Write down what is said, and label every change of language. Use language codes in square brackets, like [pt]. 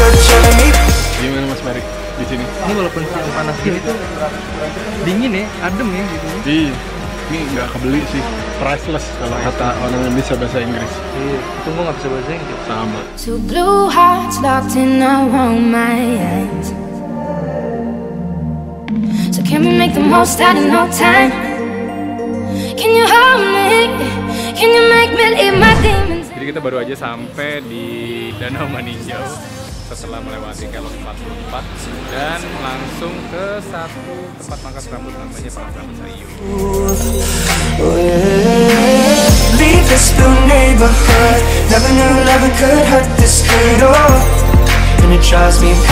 [id] Gimana Mas Merik di sini? Ini walaupun sini panas gini tuh dingin ya, adem ya gitu. Ini nggak kebeli sih, priceless kalau kata orang yang bisa bahasa Inggris. Iya, itu gua nggak bisa bahasa Inggris. Sama. [en] Two blue hearts locked in a row my eyes. So can we make the most out of no time? Can you hold me? [id] Jadi kita baru aja sampai di Danau Maninjau setelah melewati kelok 44 dan langsung ke satu tempat pangkas rambut namanya Pangkas Rambut Sariu.